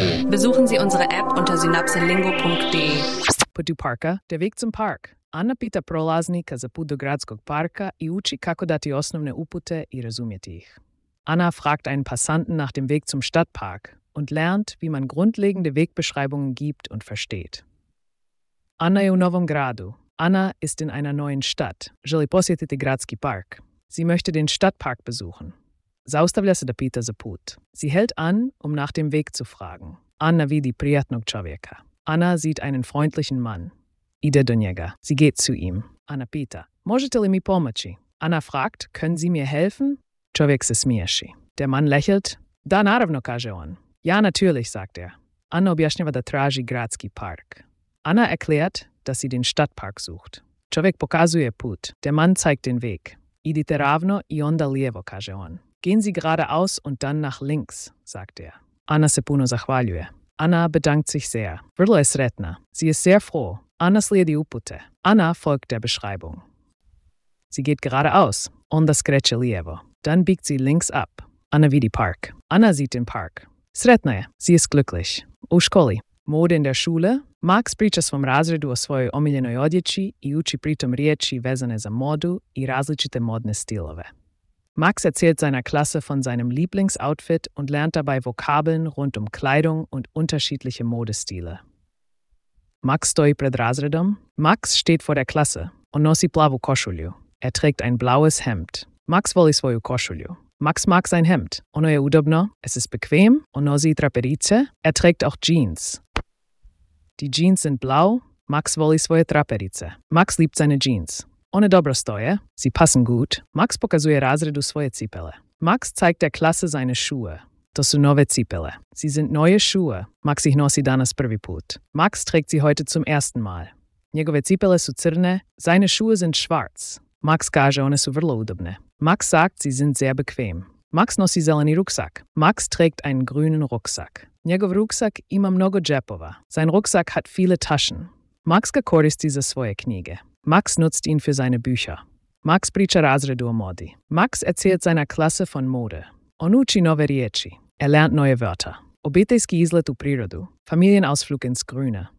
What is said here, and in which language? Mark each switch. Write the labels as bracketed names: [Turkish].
[German] Besuchen Sie unsere App unter synapselingo.de. [Croatian] Podu parka, [German] der Weg zum Park. [Croatian] Anna pita prolaznika za put do gradskog parka i uči kako dati osnovne upute i razumjeti ih. [German] Anna fragt einen Passanten nach dem Weg zum Stadtpark und lernt, wie man grundlegende Wegbeschreibungen gibt und versteht. [Croatian] Anna je u novom gradu. [German] Anna ist in einer neuen Stadt. [Croatian] Želi posjetiti gradski park. [German] Sie möchte den Stadtpark besuchen. [Croatian] Zaustavlja se da pita za put. [German] Sie hält an, um nach dem Weg zu fragen. [Croatian] Anna vidi prijatnog čovjeka. [German] Anna sieht einen freundlichen Mann. [Croatian] Ide do njega. [German] Sie geht zu ihm. [Croatian] Anna pita. Možete li mi pomoći? [German] Anna fragt, können Sie mir helfen? [Croatian] Čovjek se smiješi. [German] Der Mann lächelt. [Croatian] Da naravno, kaže on. [German] Ja, natürlich, sagt er. [Croatian] Anna objašnjava da traži gradski park. [German] Anna erklärt, dass sie den Stadtpark sucht. [Croatian] Čovjek pokazuje put. [German] Der Mann zeigt den Weg. [Croatian] Idite ravno i onda lijevo, kaže on. [German] Gehen Sie geradeaus und dann nach links, sagt er. [Croatian] Anna se puno zahvaljuje. [German] Anna bedankt sich sehr. [Croatian] Vrlo je sretna. [German] Sie ist sehr froh. [Croatian] Anna slijedi upute. [German] Anna folgt der Beschreibung. Sie geht geradeaus. [Croatian] Onda skreće lijevo. [German] Dann biegt sie links ab. [Croatian] Anna vidi park. [German] Anna sieht den Park. [Croatian] Sretna je. [German] Sie ist glücklich. [Croatian] U školi. [German] Mode in der Schule. [Croatian] Max priča svom razredu o svojoj omiljenoj odjeći i uči pritom riječi vezane za modu i različite modne stilove. [German] Max erzählt seiner Klasse von seinem Lieblingsoutfit und lernt dabei Vokabeln rund um Kleidung und unterschiedliche Modestile. [Croatian] Max stoi pred razredom. [German] Max steht vor der Klasse. [Croatian] On nosi plavu košulju. [German] Er trägt ein blaues Hemd. [Croatian] Max voli svoju košulju. [German] Max mag sein Hemd. [Croatian] Ono je udobno. [German] Es ist bequem. [Croatian] On nosi traperice. [German] Er trägt auch Jeans. Die Jeans sind blau. [Croatian] Max voli svoje traperice. [German] Max liebt seine Jeans. [Croatian] One dobro stoje. [German] Sie passen gut. [Croatian] Max pokazuje razredu svoje cipele. [German] Max zeigt der Klasse seine Schuhe. [Croatian] To su nove cipele. [German] Sie sind neue Schuhe. [Croatian] Max ich nosi danas prvi put. [German] Max trägt sie heute zum ersten Mal. [Croatian] Njegove cipele su crne. [German] Seine Schuhe sind schwarz. [Croatian] Max kaže one su vrlo udobne. [German] Max sagt, sie sind sehr bequem. [Croatian] Max nosi zeleni Rucksack. [German] Max trägt einen grünen Rucksack. Njegov Rucksack ima mnogo džepova. Sein Rucksack hat viele Taschen. [Croatian] Max ga koristi za svoje knjige. [German] Max nutzt ihn für seine Bücher. [Croatian] Max priča razredu o modi. [German] Max erzählt seiner Klasse von Mode. [Croatian] On uči nove riječi. [German] Er lernt neue Wörter. [Croatian] Obiteljski izlet u prirodu. [German] Familienausflug ins Grüne.